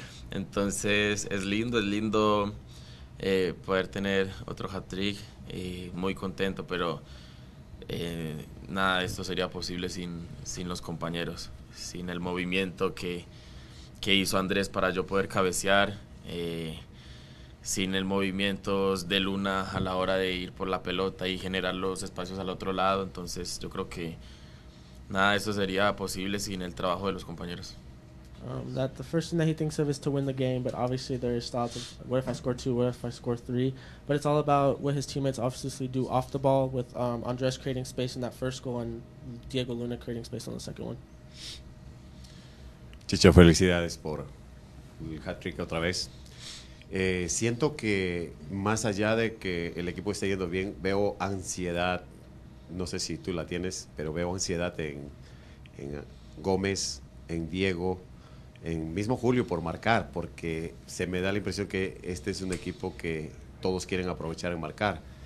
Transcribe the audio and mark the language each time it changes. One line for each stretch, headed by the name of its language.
Spanish: Entonces es lindo poder tener otro hat-trick, muy contento, pero nada de esto sería posible sin los compañeros, sin el movimiento que hizo Andrés para yo poder cabecear, sin el movimiento de Luna a la hora de ir por la pelota y generar los espacios al otro lado. Entonces yo creo que nada de esto sería posible sin el trabajo de los compañeros.
English: That the first thing that he thinks of is to win the game, but obviously there is thoughts of what if I score two, what if I score three, but it's all about what his teammates obviously do off the ball, with Andres creating space in that first goal and Diego Luna creating space on the second one.
Spanish: Chicho, felicidades por el hat-trick otra vez. Siento que más allá de que el equipo esté yendo bien, veo ansiedad, no sé si tú la tienes, pero veo ansiedad en Gómez, en Diego, en mismo Julio por marcar, porque se me da la impresión que este es un equipo que todos quieren aprovechar en marcar.